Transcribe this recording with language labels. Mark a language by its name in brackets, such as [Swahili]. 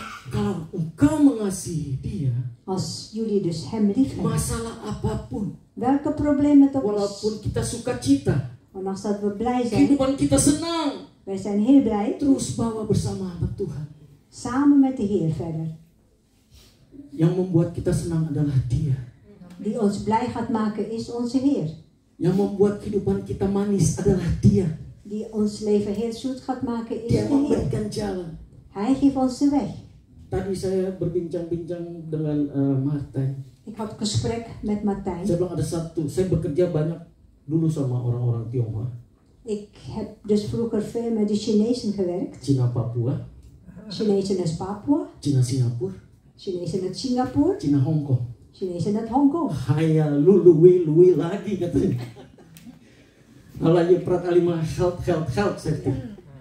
[Indonesian] Kalau engkau mengasihi dia. [Dutch] Als jullie dus hem lief hebben. [Indonesian] Masalah apapun. [Dutch] Welke problemen het ook. [Indonesian] Walaupun kita suka cita. [Dutch] Ondanks dat we blij zijn. [Indonesian] Kehidupan kita senang. [Dutch] Wij zijn heel blij. [Indonesian] Terus bawa bersama hadap Tuhan. [Dutch] Samen met de Heer verder. [Indonesian] Yang membuat kita senang adalah dia. [Dutch] Die ons blij gaat maken is onze Heer. [Indonesian] Yang membuat kehidupan kita manis adalah dia. [Dutch] Die ons leven heel zoet gaat maken is [Indonesian] dia [Dutch] de Heer. [Indonesian] Memberikan jalan. [Dutch] Hij geeft ons de weg. [Indonesian] Tadi saya berbincang-bincang dengan Martijn. [Dutch] Ik had gesprek met Martijn. [Indonesian] Saya bilang ada satu. Saya bekerja banyak dulu sama orang-orang Tionghoa. [Dutch] Ik heb dus vroeger veel met de Chinezen gewerkt. [Indonesian] Cina Papua. [Dutch] Chinezen uit Papua. [Indonesian] Cina Singapura. [Dutch] Chinezen uit Singapura. [Indonesian] Cina Hong Kong. [Dutch] Chinezen uit Hong Kong. Haya lului lagi katanya. Alanya pratalima help saya.